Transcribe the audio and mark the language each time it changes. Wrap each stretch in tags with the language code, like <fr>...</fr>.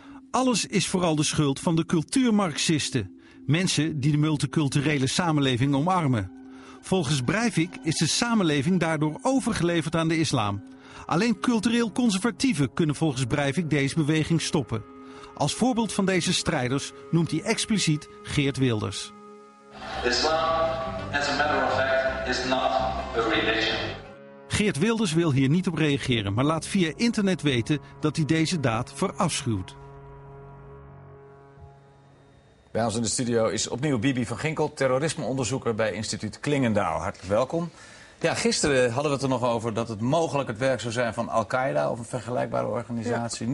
<nl>Alles is vooral de schuld van de cultuurmarxisten, mensen die de multiculturele samenleving omarmen. Volgens Breivik is de samenleving daardoor overgeleverd aan de islam. Alleen cultureel conservatieven kunnen volgens Breivik deze beweging stoppen. Als voorbeeld van deze strijders noemt hij expliciet Geert Wilders.</nl> <en>Islam, as a matter of fact, is not a religion.</en> <nl>Geert Wilders wil hier niet op reageren, maar laat via internet weten dat hij deze daad verafschuwt. Bij ons in de studio is opnieuw Bibi van Ginkel, terrorismeonderzoeker bij instituut Klingendaal. Hartelijk welkom. Ja, gisteren hadden we het er nog over dat het mogelijk het werk zou zijn van Al-Qaeda of een vergelijkbare organisatie.</nl>